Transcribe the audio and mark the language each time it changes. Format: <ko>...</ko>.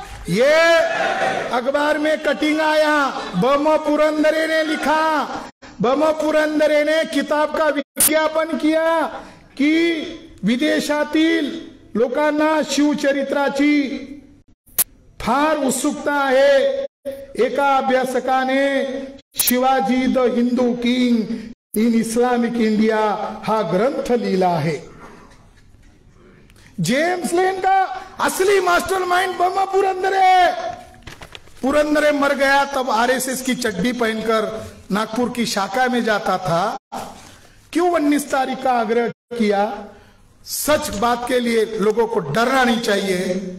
<hi>ये अखबार में कटिंग आया, ब्रह्म पुरंदरे ने लिखा, ब्रह्म पुरंदरे ने किताब का विज्ञापन किया कि</hi> <mr>विदेशातील लोकांना शिवचरित्राची फार उत्सुकता आहे। एका अभ्यासकाने Shivaji the Hindu king in Islamic India हा ग्रंथ लिहिला आहे।</mr> <hi>जेम्स लेन का असली मास्टरमाइंड ब्रह्मा पुरंदरे। पुरंदरे मर गया तब आरएसएस की चड्डी पहनकर नागपुर की शाखा में जाता था। क्यों 19 तारीख का आग्रह किया? सच बात के लिए लोगों को डरना नहीं चाहिए।</hi>